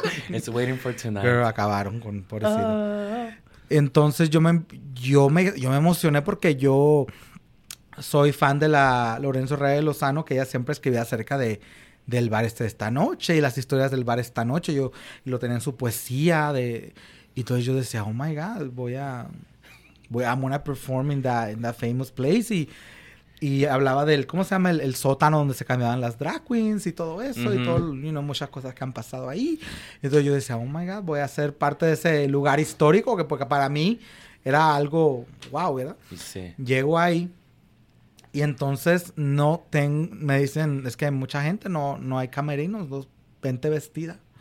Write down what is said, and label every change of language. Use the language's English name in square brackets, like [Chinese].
[English] it's waiting for tonight. [Spanish] Pero acabaron con... Pobrecito. Entonces, yo me emocioné porque yo soy fan de la Lorenzo Rey de Lozano, que ella siempre escribía acerca de... del bar esta noche y las historias del bar esta noche. Yo lo tenía en su poesía de... Y entonces yo decía, [English] oh my God, I'm gonna perform in that famous place. [Spanish] Y hablaba del, ¿cómo se llama? El sótano donde se cambiaban las drag queens y todo eso. Mm-hmm. Y todo, you know, muchas cosas que han pasado ahí. Entonces yo decía, [English] oh my God, [Spanish] voy a ser parte de ese lugar histórico, que porque para mí era algo wow, ¿verdad? Sí. Llego ahí. Y entonces me dicen, es que mucha gente, no hay camerinos, vente vestida.